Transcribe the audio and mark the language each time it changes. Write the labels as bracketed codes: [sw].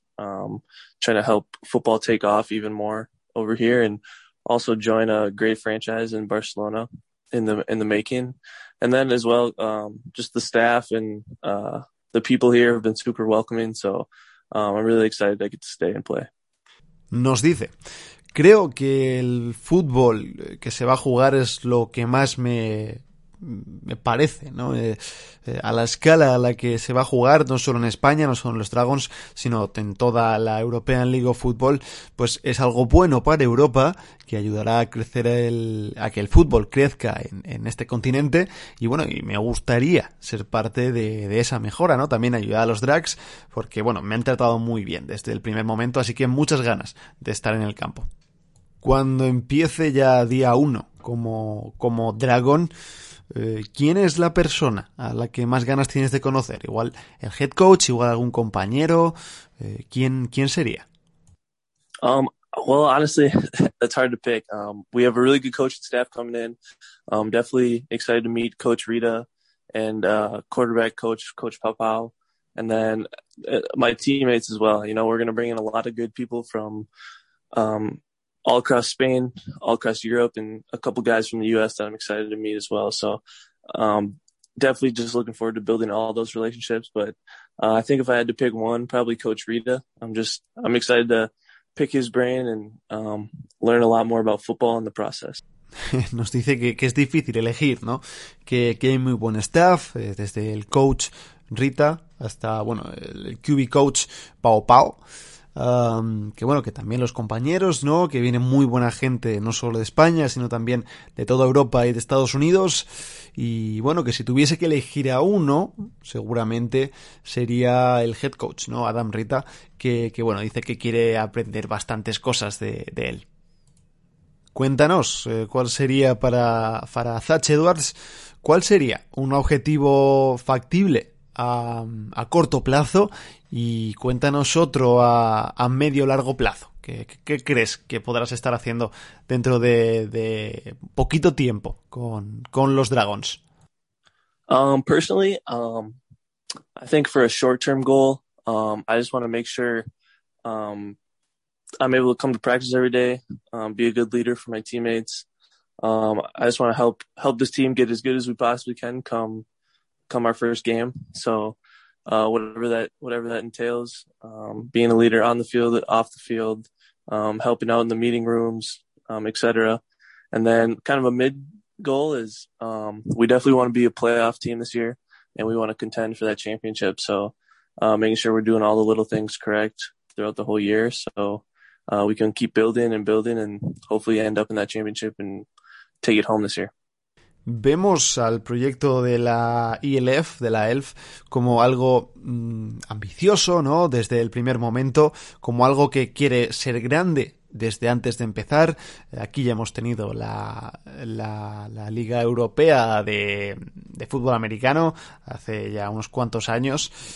[en] Trying to help football take off even more over here and also join a great franchise in Barcelona in the making. And then as well, just the staff and the people here have been super welcoming. So I'm really excited I get to stay and play. [es] Nos dice, creo que el fútbol que se va a jugar es lo que más me parece, ¿no? A la escala a la que se va a jugar, no solo en España, no solo en los Dragons, sino en toda la European League of Football, pues es algo bueno para Europa, que ayudará a crecer a que el fútbol crezca en este continente, y bueno, y me gustaría ser parte de esa mejora, ¿no? También ayudar a los Drags, porque bueno, me han tratado muy bien desde el primer momento, así que muchas ganas de estar en el campo. Cuando empiece ya día uno, como Dragon, ¿quién es la persona a la que más ganas tienes de conocer? Igual el head coach, igual algún compañero. ¿Quién sería? [en] Well, honestly, it's hard to pick. We have a really good coach and staff coming in. I'm definitely excited to meet Coach Rita and quarterback coach Papau, and then my teammates as well. You know, we're going to bring in a lot of good people from all across Spain, all across Europe, and a couple guys from the U.S. that I'm excited to meet as well. So definitely just looking forward to building all those relationships. But I think if I had to pick one, probably Coach Rita. I'm excited to pick his brain and learn a lot more about football in the process. [es] Nos dice que es difícil elegir, ¿no? Que hay muy buen staff, desde el coach Rita hasta, bueno, el QB coach Pau Pau. Que bueno, que también los compañeros, ¿no? Que viene muy buena gente, no solo de España, sino también de toda Europa y de Estados Unidos. Y bueno, que si tuviese que elegir a uno, seguramente sería el head coach, ¿no? Adam Rita, que bueno, dice que quiere aprender bastantes cosas de él. Cuéntanos, ¿cuál sería para Zach Edwards, cuál sería un objetivo factible a corto plazo? Y cuéntanos otro a medio-largo plazo. ¿Qué crees que podrás estar haciendo dentro de poquito tiempo con los Dragons? [en] Personally, I think for a short-term goal, I just want to make sure I'm able to come to practice every day, be a good leader for my teammates. I just want to help this team get as good as we possibly can come our first game. So whatever that entails, being a leader on the field, off the field, helping out in the meeting rooms, et cetera. And then kind of a mid goal is we definitely want to be a playoff team this year, and we want to contend for that championship. So making sure we're doing all the little things correct throughout the whole year. So we can keep building and hopefully end up in that championship and take it home this year. [es] Vemos al proyecto de la ELF, de la ELF, como algo ambicioso, ¿no? Desde el primer momento, como algo que quiere ser grande desde antes de empezar. Aquí ya hemos tenido la Liga Europea de fútbol americano hace ya unos cuantos años.